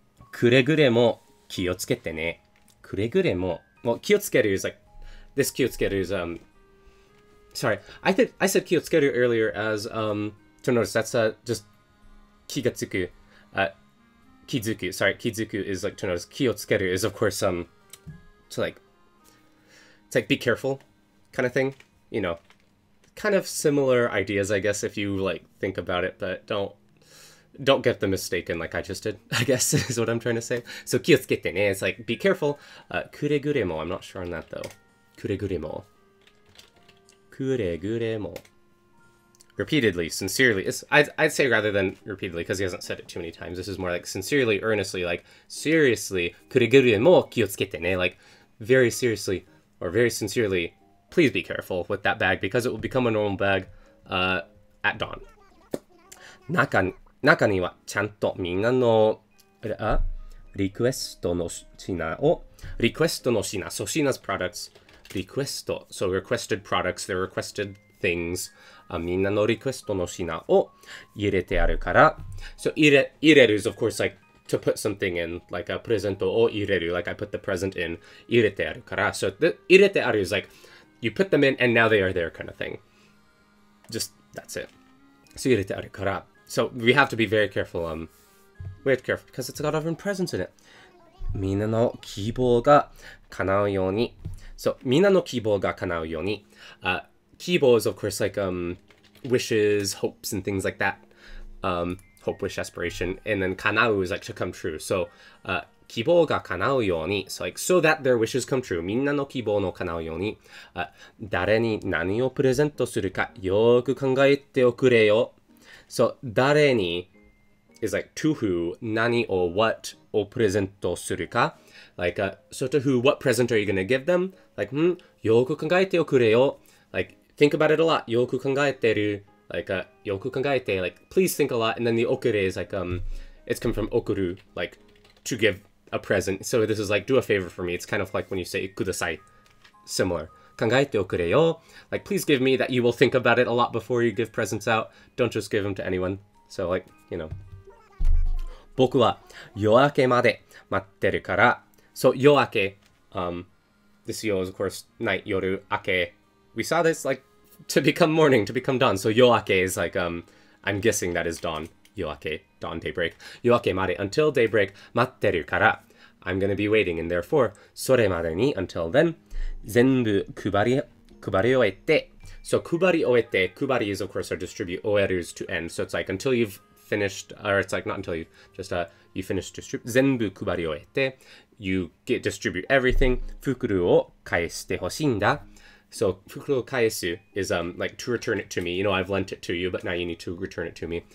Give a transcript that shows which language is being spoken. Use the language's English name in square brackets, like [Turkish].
[Japanese] くれぐれも気をつけてね。くれぐれも。 [English] Well, 気をつける is like, this 気をつける is, sorry, I said 気をつける earlier as, to notice, that's a, just [Japanese] 気がつく、気づく、 [English] sorry, 気づく is like, to notice, 気をつける is of course, to like, it's like, be careful, kind of thing, you know, kind of similar ideas, I guess, if you like, think about it, but don't get them mistaken like I just did, I guess, is what I'm trying to say. So, [Japanese] 気をつけてね, [English] it's like, be careful, くれぐれも, I'm not sure on that though, くれぐれも。 [Japanese] くれぐれも [English] repeatedly, sincerely. I'd say rather than repeatedly because he hasn't said it too many times. This is more like sincerely, earnestly, like seriously. [Japanese] くれぐれも気をつけてね. [English] Like very seriously or very sincerely, please be careful with that bag because it will become a normal bag at dawn. [Japanese] 中にはちゃんとみんなのリクエストの品をリクエストの品 [English] so Sheena's productsRequesto, so requested products, they're requested things. [Japanese] みんなのリクエストの品を入れてあるから。 [English] So 入れる is of course like to put something in, like a [Japanese] presento を入れる, [English] like I put the present in, [Japanese] 入れてあるから。 [English] So [Japanese] 入れてある [English] is like you put them in and now they are there kind of thing. Just that's it. [Japanese] So 入れてあるから。 [English] So we have to be very careful. We have to be careful because it's got different presents in it. [Japanese] みんなの希望が叶うように。 So, みんなの希望が叶うように。 [English] 希望is, of course, like, wishes, hopes, and things like that. Hope, wish, aspiration. And then, 叶う is, like, to come true. So, [Japanese] 希望が叶うように。 [English] So, like, so that their wishes come true. [Japanese] みんなの希望の叶うように。誰に何をプレゼントするかよく考えておくれよ。 [English] So, 誰に is, like, to who, 何 or what [Japanese] をプレゼントするか。 [English] Like, so to who, what present are you going to give them? Like, [Japanese] よく考えておくれよ。 [English] Like, think about it a lot. [Japanese] よく考えてる。 [English] Like, [Japanese] よく考えて。 [English] Like, please think a lot. And then the おくれ is like, it's come from おくる. Like, to give a present. So this is like, do a favor for me. It's kind of like when you say ください. Similar. [Japanese] 考えておくれよ。 [English] Like, please give me that you will think about it a lot before you give presents out. Don't just give them to anyone. So like, you know. [Japanese] 僕は夜明けまで待ってるから。 [English] So, 夜明け, this yo is, of course, night, 夜明け. We saw this, like, to become morning, to become dawn. So, 夜明け is, like, I'm guessing that is dawn. 夜明け, dawn, daybreak. [Japanese] 夜明けまで, [English] until daybreak, [Japanese] 待ってるから. [English] I'm gonna be waiting, and therefore, [Japanese] それまでに, [English] until then, [Japanese] 全部配り終えて. [English] So, 配り終えて, 配り is, of course, our distribute, 終える is to end. So, it's, like, until you've finished, or it's, like, not until you've just, you finish distribute, [Japanese] 全部配り終えて, [English] you get distribute everything, [Japanese] 袋を返してほしいんだ. [English] So, [Japanese] 袋を返す [English] is, like, to return it to me. You know, I've lent it to you, but now you need to return it to me.